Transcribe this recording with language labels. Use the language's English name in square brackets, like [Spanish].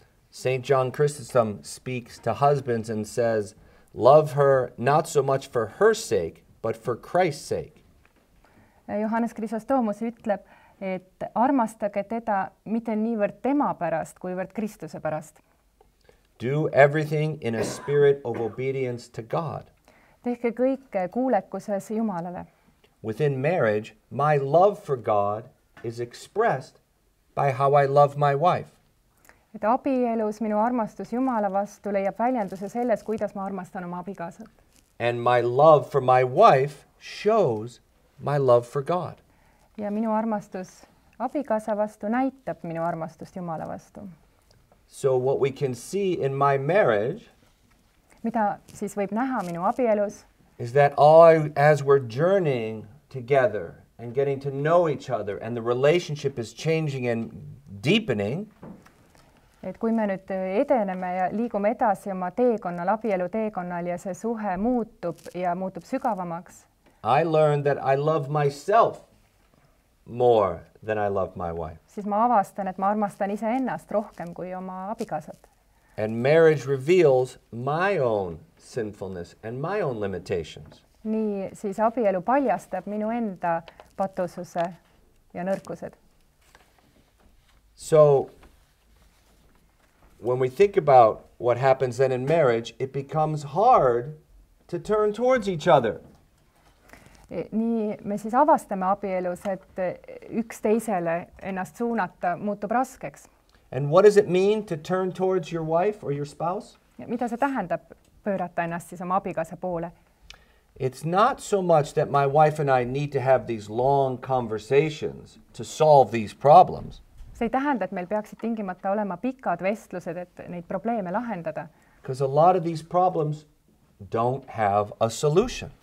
[English] St. John Chrysostom speaks to husbands and says, love her not so much for her sake, but for Christ's sake. [Estonian] Johannes Chrysostomus ütleb, et armastage teda mitte niivõrd tema pärast, kuivõrd Kristuse pärast. [English] Do everything in a spirit of obedience to God. [Estonian] Tehke kõike kuulekuses Jumalale. [English] Within marriage, my love for God is expressed by how I love my wife. [Estonian] Et abielus minu armastus Jumala vastu leiab väljenduse selles, kuidas ma armastan oma abikaasat. [English] And my love for my wife shows my love for God. [Estonian] Ja minu armastus abikaasa vastu näitab minu armastust Jumala vastu. [English] So what we can see in my marriage, [Estonian] mida siis võib näha minu abielus, [English] is that all, as we're journeying together and getting to know each other and the relationship is changing and deepening, [Estonian] et kui me nüüd edeneme ja liigume edasi oma teekonnal, abielu teekonnal ja see suhe muutub ja muutub sügavamaks, [English] I learned that I love myself more than I love my wife. [Estonian] Siis ma avastan, et ma armastan ise ennast rohkem kui oma abikaasat. [English] And marriage reveals my own sinfulness and my own limitations. [Estonian] Nii siis abielu paljastab minu enda patususe ja nõrkused. [English] So when we think about what happens then in marriage, it becomes hard to turn towards each other. [Estonian] Nii me siis avastame abielus, et üksteisele ennast suunata muutub raskeks. [English] And what does it mean to turn towards your wife or your spouse? [Estonian] Mida see tähendab pöörata ennast siis oma abikaasa poole? [English] It's not so much that my wife and I need to have these long conversations to solve these problems. [Estonian] See ei tähenda, et meil peaksid tingimata olema pikad vestlused, et neid probleeme lahendada. [English] Because a lot of these problems don't have a solution.